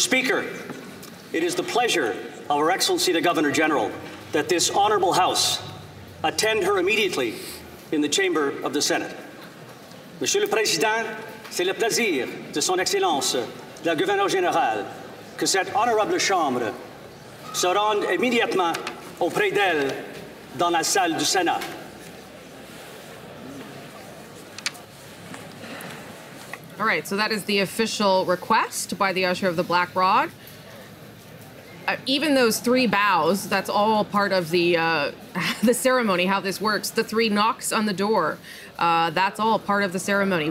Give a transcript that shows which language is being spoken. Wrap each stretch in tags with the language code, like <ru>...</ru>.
<en>Speaker, it is the pleasure of Her Excellency the Governor General that this Honourable House attend her immediately in the chamber of the Senate.</en> <fr>Monsieur le Président, c'est le plaisir de Son Excellence le Gouverneur Général que cette honorable chambre se rende immédiatement auprès d'elle dans la salle du Sénat.</fr> <en>All right, so that is the official request by the Usher of the Black Rod. Even those three bows, that's all part of the ceremony, how this works. The three knocks on the door, that's all part of the ceremony.</en>